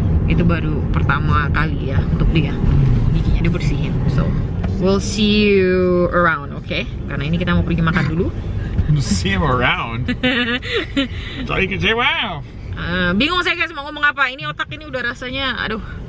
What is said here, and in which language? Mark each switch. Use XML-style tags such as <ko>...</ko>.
<id>Itu baru pertama kali ya untuk dia. Giginya dibersihin.</id> <en>So, we'll see you around, okay?</en> <id>Karena ini kita mau pergi makan dulu.</id> <en>See him around. So you can say wow.</en> <id>Bingung saya guys mau ngomong apa. Ini otak ini udah rasanya, aduh.</id>